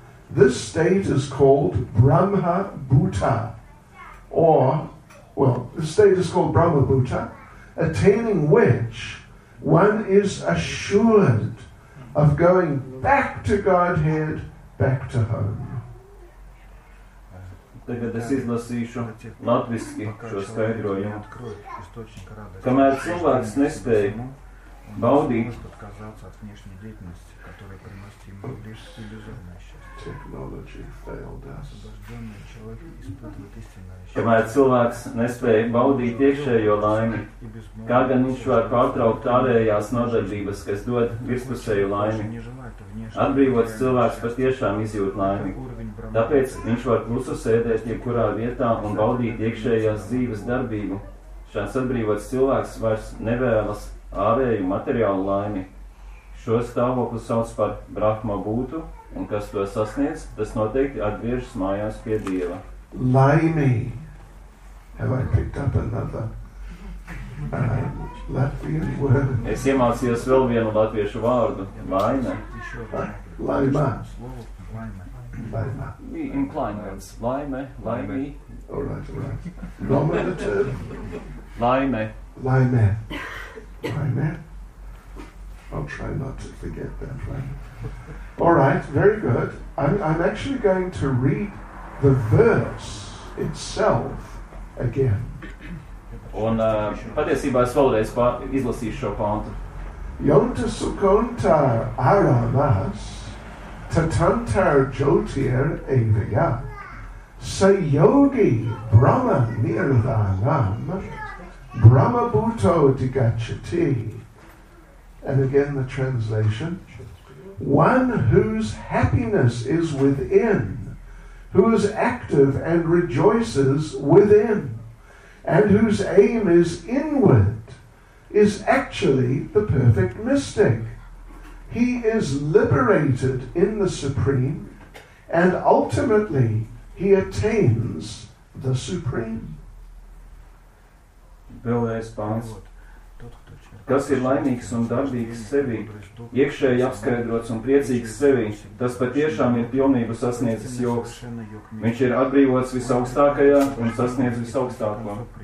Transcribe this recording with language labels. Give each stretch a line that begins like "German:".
English: This state is called Brahma Bhuta, attaining which one is assured of going back to Godhead, back to home.
Latvian: Tagad es izlasīšu latviski šo skaidrojumu. Kamēr cilvēks nespēj baudīt iekšējo laimi, kā gan viņš var pārtraukt ārējās nodarbības, kas dod virspusēju laimi, atbrīvots cilvēks patiešām izjūt laimi. Tāpēc viņš var klusu sēdēt jebkurā vietā un baudīt iekšējās dzīves darbību. Šāds atbrīvots cilvēks vairs nevēlas ārēju materiālu laimi. Šo stāvokli sauc par Brahma būtu, un kas to sasniedz, tas noteikti atgriežas mājās pie Dieva. Laimi.
English: Have I picked up another Latvian word?
Latvian: Es iemācījos vēl vienu latviešu vārdu. Laime. Laima. Inclinants. Laime. Laimi.
English: All right. Nominative.
Latvian: Laime. Laime. Laime.
English: I'll try not to forget that. Laime. All right. Very good. I'm actually going to read the verse itself again.
Latvian: Un patiesībā es vēlreiz izlasīšu šo pantu.
Sanskrit: Yonta sukonta aramas tatantar jyotir evaya sa yogi brahma nirvanam brahma bhuto digacchati.
English: And again the translation: one whose happiness is within, who is active and rejoices within, and whose aim is inward, is actually the perfect mystic. He is liberated in the Supreme, and ultimately he attains the Supreme.
Latvian: Vēlreiz pāns. Kas ir laimīgs un darbīgs sevī, iekšēji apskaidrots un priecīgs sevī, tas patiešām ir pilnību sasniedzis jogs. Viņš ir atbrīvots visaugstākajā un sasniedz visaugstāko.